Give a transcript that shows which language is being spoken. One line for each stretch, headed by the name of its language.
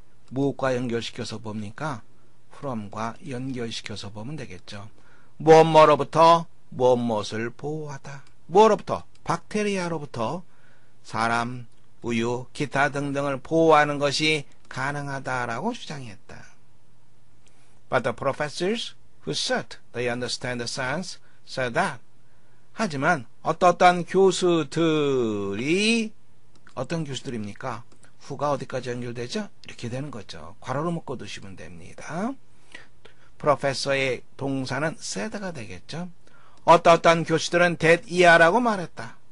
Korean: 무엇과 연결시켜서 봅니까? from과 연결시켜서 보면 되겠죠. 뭐뭐로부터 뭐뭐를 보호하다. 뭐로부터? 박테리아로부터 사람, 우유, 기타 등등을 보호하는 것이 가능하다라고 주장했다.
English: But the professors who said they understand the science said that.
Korean: 하지만 어떠한 교수들이 어떤 교수들입니까? who가 어디까지 연결되죠? 이렇게 되는 거죠. 괄호로 묶어 두시면 됩니다. 프로페서의 동사는 said가 되겠죠. 어떠한 교수들은 that 이하라고 말했다.